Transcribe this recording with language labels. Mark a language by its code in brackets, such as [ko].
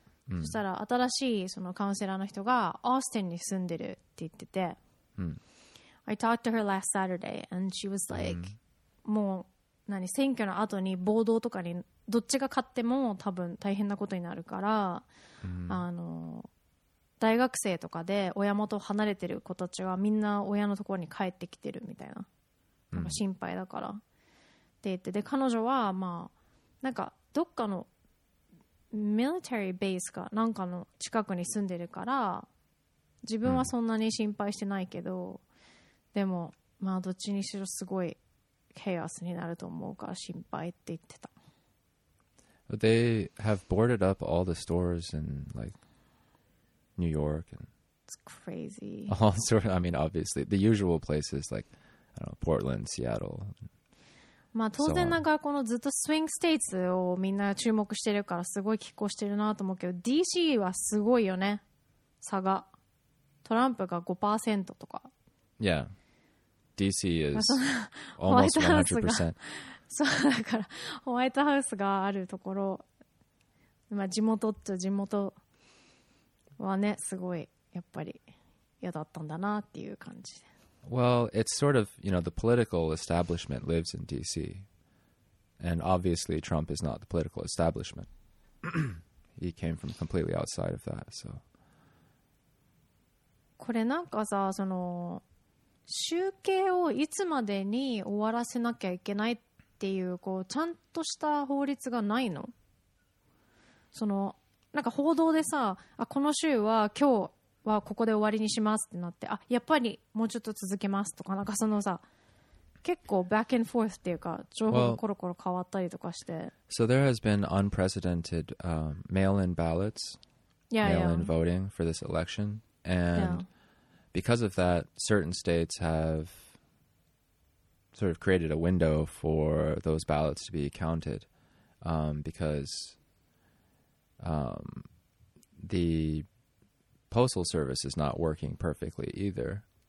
[ja] そしたら新しいそのカウンセラーの人がオースティンに住んでるって言ってて、 [en] I talked to her last Saturday and she was like、 [ja] もう何選挙の後に暴動とかにどっちが勝っても多分大変なことになるから、あの大学生とかで親元離れてる子たちはみんな親のところに帰ってきてるみたいな、なんか心配だからって言って、で彼女はまあなんかどっかのミリタリーベースかなんかの近くに住んでるから自分はそんなに心配してないけど、でもまあどっちにしろすごいケアスになると思うから心配って言ってた。 [en] They have boarded up all the stores and likeNew York and it's crazy. All sort of, I mean, obviously the usual places like I don't know, Portland, Seattle. [ja] まあ当然なんかこのずっとスイングステイツをみんな注目してるからすごい拮抗してるなと思うけど、DC はすごいよね。差がトランプが 5% とか。 [en] Yeah, DC is almost 100%. [ja] そうだからホワイトハウスがあるところ、まあ地元っちゃ地元。はね、すごいやっぱり嫌だったんだなっていう感じで。 [en] Well, it's sort of, you know, the political establishment lives in D.C. And obviously Trump is not the political establishment. He came from completely outside of that, so. [ja] これなんかさ、その集計をいつまでに終わらせなきゃいけないっていう、こうちゃんとした法律がないの？そのなんか報道でさ、あこの週は今日はここで終わりにしますってなって、あやっぱりもうちょっと続けますとか、なんかそのさ結構 [en] back and forth [ja] っていうか情報がコロコロ変わったりとかして、 [en] well, So there has been unprecedented mail-in ballots mail-in voting for this election and because of that certain states have sort of created a window for those ballots to be counted becauseThe postal service is not working perfectly either.